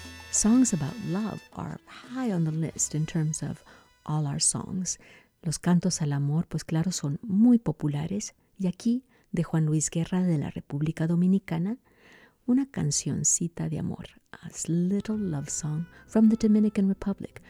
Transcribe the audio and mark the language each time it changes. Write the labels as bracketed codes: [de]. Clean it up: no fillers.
[en] Songs about love are high on the list in terms of all our songs. [es] Los cantos al amor, pues claro, son muy populares. Y aquí, de Juan Luis Guerra de la República Dominicana, una cancioncita de amor. [en] A little love song from the Dominican Republic.